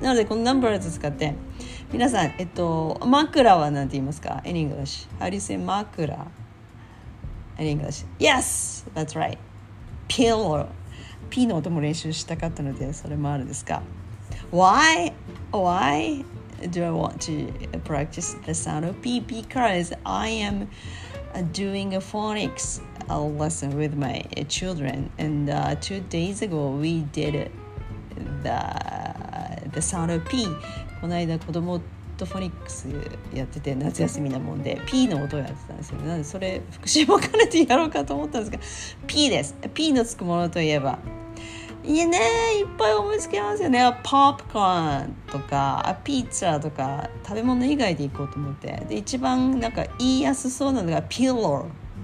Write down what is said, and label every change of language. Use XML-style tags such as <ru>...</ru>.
<ja>なのでこの Numbers 使って皆さん、枕はなんて言いますか</ja> <en>in English? How do you say 枕 in English? Yes! That's right! Pillow!</en> <ja>P の音も練習したかったのでそれもあるんですか。</ja> <en>Why? Why? Do I want to practice the sound of P? Because I am doing a phonics lesson with my children. And 2 days ago, we did the sound of P.</en> <ja>この間子供とフォニックスやってて、夏休みなもんで P の音をやってたんですよ。なんでそれ復習も兼ねてやろうかと思ったんですが、 P です。 P のつくものといえば、いやね、いっぱい思いつきますよね。ポップコーンとかピッツァとか食べ物以外で行こうと思って、で一番なんか言いやすそうなのがピロー。</ja>